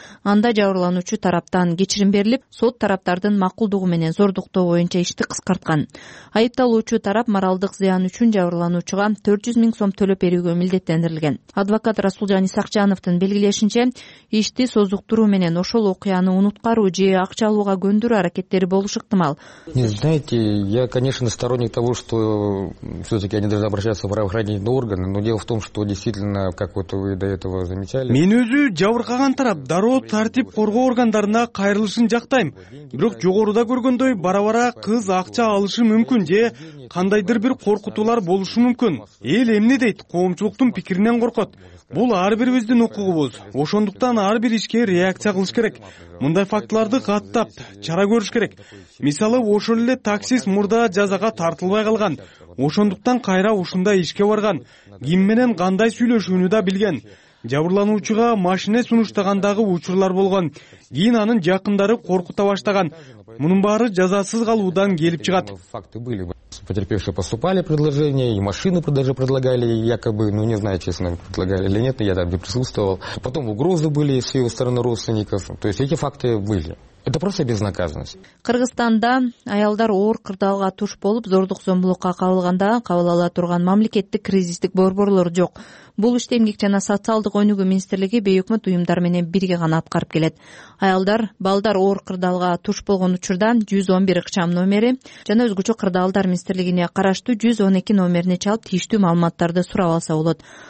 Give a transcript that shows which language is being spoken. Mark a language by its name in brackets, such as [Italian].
[Kyrgyz] Анда жабырлануучу тараптан кечирим берилип, сот тараптардын макулдугу менен зордуктоо боюнча ишти кыскарткан. Айыпталуучу тарап моралдык зыян үчүн жабырлануучуга 400 000 сом төлөп берүүгө милдеттендирилген. Адвокат Расулжан Исакжановдун белгилешинче, ишти созуктуруу менен ошол окуяны унуткаруу же акча алууга көндүрүү аракеттери болушу ыктымал. [Russian] Не знаете, я, конечно, сторонник того, что все-таки они должны обращаться в правоохранительные органы, но дело в том, что действительно, как вот вы до этого замечали. [Kyrgyz] Мен өзү жабыркаган тарап, дароо тартип коргоо органдарына кайрылышын жактайм. Бирок жогоруда көргөндөй бара-бара кыз акча алышы мүмкүн же кандайдыр бир коркутуулар болушу мүмкүн. Эл эмне дейт? Коомчулуктун пикиринен коркот. Бул ар бирибиздин укугубуз. Ошондуктан ар бир ишке реакция кылыш керек. Мындай фактыларды каттап, чара көрүш керек. Мисалы, ошол эле таксист мурда жазага тартылбай калган. Ошондуктан кайра ушундай ишке барган. Ким менен кандай сүйлөшүүнү да билген. Жабырлануучуга машине сунуштагандагы учурлар болгон. Кийин анын жакындары коркута баштаган. Мунун баары жазасыз калуудан келип чыгат. [Russian] Потерпевшие поступали предложения, и машины даже предлагали якобы, ну не знаю, честно, предлагали или нет, но я там не присутствовал. Потом угрозы были с ее стороны родственников, то есть эти факты были. Это просто безнаказанность. [Kyrgyz] Кыргызстанда аялдар оор кырдаалга туш болуп, зордук-зомбулукка кабылганда кабыл ала турган мамлекеттик кризистик борборлор жок. Бул иште эмгек жана социалдык өнүгүү министрлиги бейөкмөт уюмдар менен бирге гана аткарып келет. Аялдар, балдар оор кырдаалга туш болгон учурда 111 ыкчам номери жана өзгөчө кырдаалдар министрлигине караштуу 112 номерине чалып тийиштүү маалыматтарды сурап алса болот.